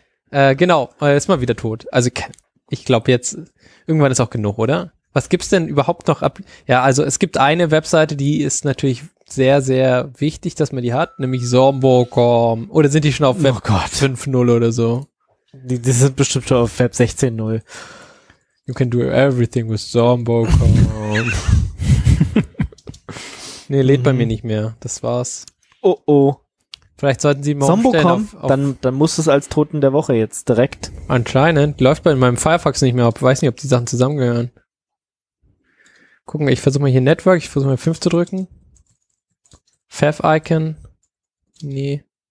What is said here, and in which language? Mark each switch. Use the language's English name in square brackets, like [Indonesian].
[German] Genau, ist mal wieder tot. Also ich glaube jetzt, irgendwann ist auch genug, oder? Was gibt's denn überhaupt noch ab? Ja, also es gibt eine Webseite, die ist natürlich sehr, sehr wichtig, dass man die hat, nämlich Zombo.com. Oder sind die schon auf Web 5.0 oder so? Die sind bestimmt schon auf Web 16.0. [English] You can do everything with Zombo.com. [German] Nee, lädt bei mir nicht mehr. Das war's. Oh, oh. Vielleicht sollten sie mal umstellen. Zombo.com, dann muss es als Toten der Woche jetzt direkt. Anscheinend. Läuft bei meinem Firefox nicht mehr. Ich weiß nicht, ob die Sachen zusammengehören. Gucken, ich versuche mal hier Network. Ich versuche mal 5 zu drücken. Fav-Icon. Nee.